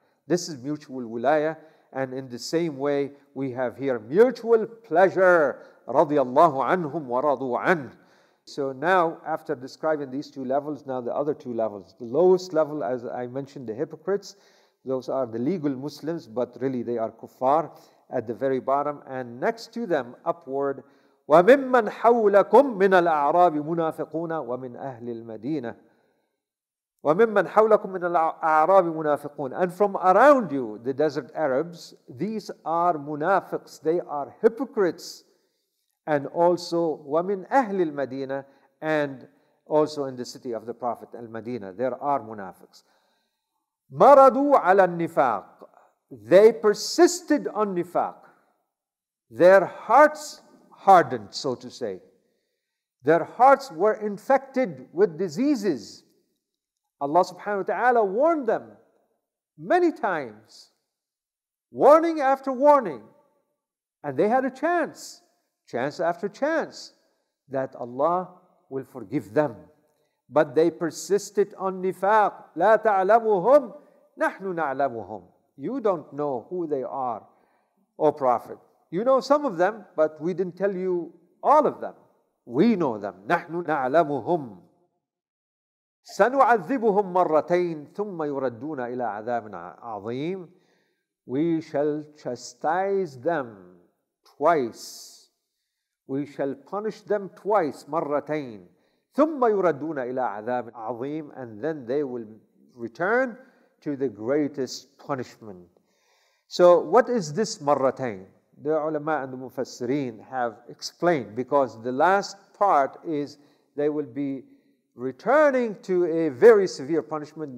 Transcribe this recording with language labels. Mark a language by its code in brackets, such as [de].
[en] This is mutual wilayah. And in the same way, we have here mutual pleasure. Radiallahu anhum wa radu an. So now, after describing these two levels, now the other two levels. The lowest level, as I mentioned, the hypocrites. Those are the legal Muslims, but really they are kuffar at the very bottom. And next to them, upward, [ar] وَمِمَّنْ حَوْلَكُمْ مِنَ الْأَعْرَابِ مُنَافِقُونَ وَمِنْ أَهْلِ الْمَدِينَةِ وَمِمَّنْ حَوْلَكُمْ مِنَ الْأَعْرَابِ مُنَافِقُونَ. [en] And from around you, the desert Arabs, these are munafiqs, they are hypocrites. And also, [ar] وَمِنْ أَهْلِ الْمَدِينَةِ, [en] and also in the city of the Prophet, Al-Madina, there are munafiqs. [ar] مَرَدُوا عَلَى النِّفَاقِ. [en] They persisted on nifaq. Their hearts hardened, so to say. Their hearts were infected with diseases. Allah subhanahu wa ta'ala warned them many times, warning after warning. And they had a chance, chance after chance, that Allah will forgive them. But they persisted on nifaq. [ar] لا تعلمهم نحن نعلمهم. [en] You don't know who they are, O Prophet. You know some of them, but we didn't tell you all of them. We know them. [ar] نحن نعلمهم. سنعذبهم مرتين ثم يردون إلى عذاب عظيم. [en] We shall chastise them twice. We shall punish them twice. [ar] مرتين ثم يردون إلى عذاب عظيم. [en] And then they will return to the greatest punishment. So what is this مرتين? The ulama and the mufassireen have explained, because the last part is they will be returning to a very severe punishment.